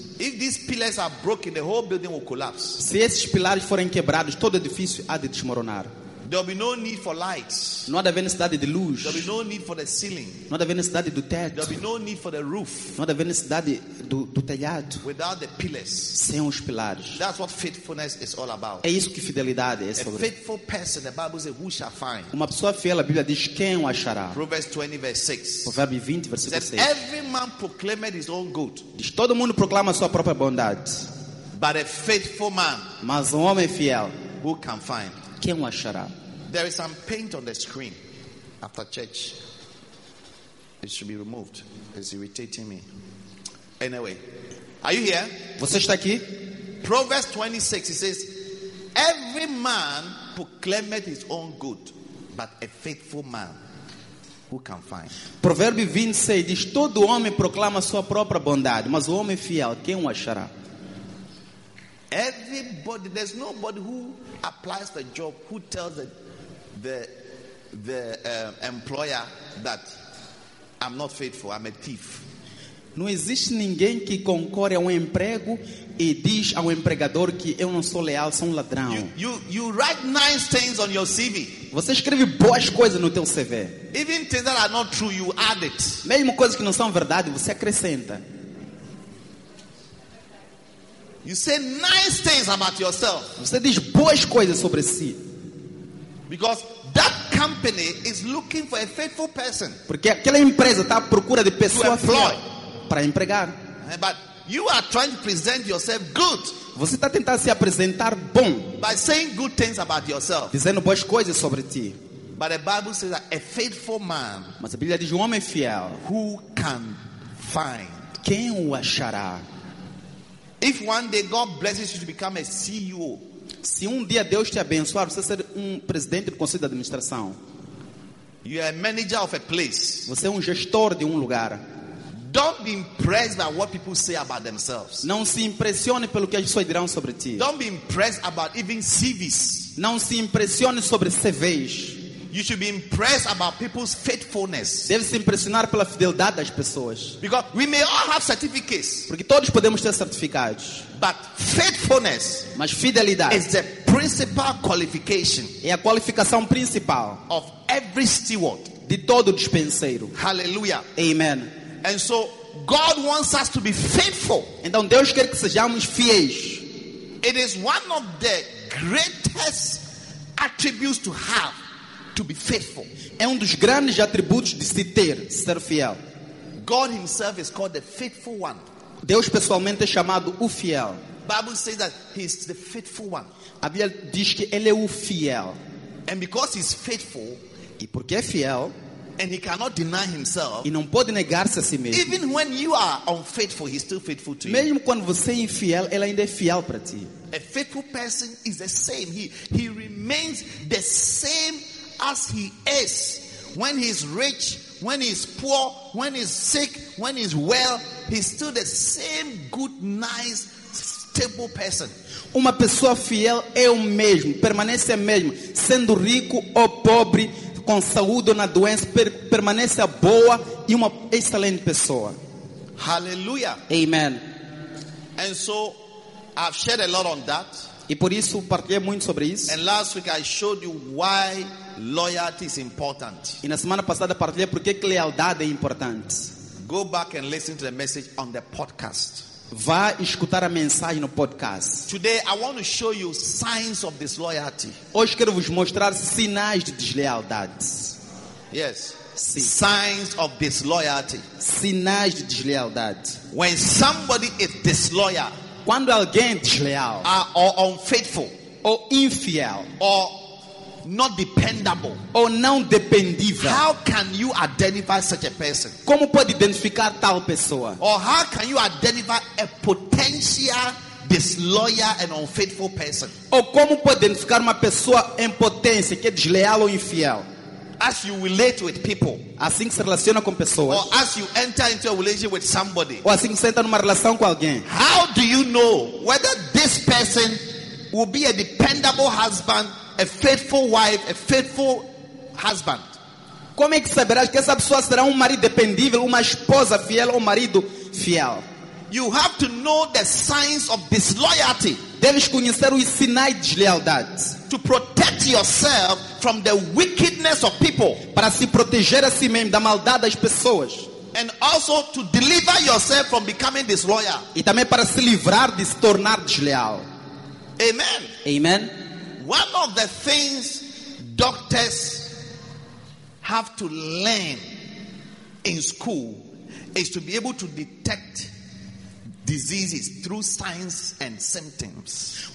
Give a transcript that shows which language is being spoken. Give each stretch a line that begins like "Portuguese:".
English: If these pillars are broken, the whole building will collapse.
Portuguese: Se esses pilares forem quebrados, todo edifício há de desmoronar.
English: There will be no need for lights.
Portuguese: Não haverá necessidade de luz.
English: There will be no need for the ceiling.
Portuguese: Não haverá necessidade do teto.
English: There will be no need for the roof.
Portuguese: Não haverá necessidade do telhado.
English: Without the pillars.
Portuguese: Sem os pilares.
English: That's what faithfulness is all about.
Portuguese: É isso que fidelidade é sobre.
English: A faithful person, the Bible says, who shall find?
Portuguese: Uma pessoa fiel, a Bíblia diz, quem o achará?
English: Proverbs 20, verse 6.
Portuguese: Provérbios 20, versículo 6.
English: Says, every man proclaimed his own good.
Portuguese: Diz, todo mundo proclama a sua própria bondade.
English: But a faithful man.
Portuguese: Mas homem fiel.
English: Who can find?
Portuguese: Quem o achará?
English: There is some paint on the screen after church. It should be removed. It's irritating me. Anyway, are you here?
Portuguese: Você está aqui?
English: Proverbs 26, it says, every man proclaimeth his own good, but a faithful man who can find?
Portuguese: Provérbio 26 diz, todo homem proclama sua própria bondade, mas o homem fiel, quem o achará?
English: Everybody, there's nobody who applies the job, who tells the employer that I'm not faithful, I'm a thief.
Portuguese: Não existe ninguém que concorre a emprego e diz ao empregador que eu não sou leal, sou ladrão.
English: You write nice things on your CV.
Portuguese: Você escreve boas coisas no teu CV.
English: Even things that are not true, you add it.
Portuguese: Mesmo coisas que não são verdade, você acrescenta.
English: You say nice things about yourself.
Portuguese: Você diz boas coisas sobre si.
English: Because that company is looking for a faithful person.
Portuguese: Porque aquela empresa está à procura de pessoa fiel para empregar.
English: But you are trying to present yourself good.
Portuguese: Você está tentando se apresentar bom.
English: By saying good things about yourself.
Portuguese: Dizendo boas coisas sobre ti.
English: But the Bible says that a faithful man.
Portuguese: Mas a Bíblia diz um homem fiel.
English: Who can find?
Portuguese: Quem o achará?
English: If one day God blesses you to become a CEO.
Portuguese: Se dia Deus te abençoar, você ser presidente do conselho de administração.
English: You are a manager of a place.
Portuguese: Você é gestor de lugar.
English: Don't be impressed by what people say about themselves.
Portuguese: Não se impressione pelo que as pessoas dirão sobre ti.
English: Don't be impressed about even CVs.
Portuguese: Não se impressione sobre CVs.
English: You should be impressed about people's faithfulness.
Portuguese: Deve se impressionar pela fidelidade das pessoas.
English: Because we may all have certificates.
Portuguese: Porque todos podemos ter certificados.
English: But faithfulness,
Portuguese: mas fidelidade,
English: is the principal qualification.
Portuguese: É a qualificação principal
English: of every steward.
Portuguese: De todo dispenseiro. Hallelujah. Amen.
English: And so God wants us to be faithful.
Portuguese: Então Deus quer que sejamos fiéis.
English: It is one of the greatest attributes to have. To be faithful.
Portuguese: É dos grandes atributos de se ter, ser fiel.
English: God himself is called the faithful one.
Portuguese: Deus pessoalmente é chamado o fiel.
English: Bible says that he is the faithful one.
Portuguese: A Bíblia diz que ele é o fiel.
English: And because he's faithful,
Portuguese: e porque é fiel,
English: and he cannot deny himself,
Portuguese: e não pode negar-se a si mesmo.
English: Even when you are unfaithful, he's still faithful to you.
Portuguese: Mesmo quando você é infiel, ele ainda é fiel para ti.
English: A faithful person is the same. He remains the same as he is, when he's rich, when he's poor, when he's sick, when he's well, he's still the same good, nice, stable person.
Portuguese: Uma pessoa fiel é o mesmo, permanece a mesma, sendo rico ou pobre, com saúde ou na doença, permanece a boa e uma excelente pessoa. Hallelujah. Amen.
English: And so, I've shared a lot on that.
Portuguese: E por isso partilhei muito sobre isso.
English: And last week I showed you why loyalty is important.
Portuguese: E na semana passada partilhei por que lealdade é importante.
English: Go back and listen to the message on the podcast.
Portuguese: Vá escutar a mensagem no podcast.
English: Today I want to show you signs of disloyalty.
Portuguese: Hoje quero vos mostrar sinais de deslealdade.
English: Yes.
Portuguese: Sim.
English: Signs of disloyalty.
Portuguese: Sinais de deslealdade.
English: When somebody is disloyal.
Portuguese: Quando alguém desleal,
English: or unfaithful,
Portuguese: ou infiel,
English: or not dependable,
Portuguese: ou não dependível,
English: how can you identify such a person?
Portuguese: Como pode identificar tal pessoa?
English: Or how can you identify a potential disloyal and unfaithful person?
Portuguese: Ou como pode identificar uma pessoa em potência que é desleal ou infiel?
English: As you relate with people,
Portuguese: assim que se relaciona com pessoas,
English: or as you enter into a relationship with somebody,
Portuguese: ou assim que você entra numa relação com alguém,
English: how do you know whether this person will be a dependable husband, a faithful wife, a faithful husband?
Portuguese: Como é que saberás que essa pessoa será marido dependível, uma esposa fiel ou marido fiel?
English: You have to know the signs of disloyalty.
Portuguese: Deves conhecer os sinais de deslealdade.
English: To protect yourself from the wickedness of people.
Portuguese: Para se proteger a si mesmo da maldade das pessoas.
English: And also to deliver yourself from becoming disloyal.
Portuguese: E também para se livrar de se tornar desleal. Amen. Amen.
English: One of the things doctors have to learn in school is to be able to detect diseases through signs and symptoms.